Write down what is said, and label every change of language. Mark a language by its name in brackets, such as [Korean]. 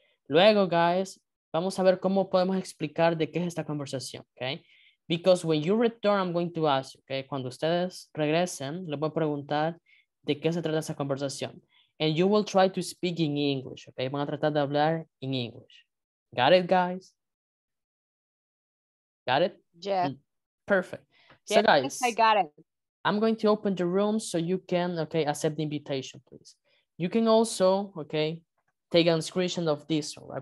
[Spanish] Luego, guys, vamos a ver cómo podemos explicar de qué es esta conversación, okay? [English] Because when you return, I'm going to ask you, okay? [Spanish] Cuando ustedes regresen, les voy a preguntar de qué se trata esa conversación. [English] And you will try to speak in English, okay? [Spanish] Van a tratar de hablar in English. [English] Got it, guys? Got it? Yeah. Perfect. Yeah, so, guys. I got it. I'm going to open the room so you can, okay, accept the invitation, please. You can also, okay, take a screenshot of this one, right?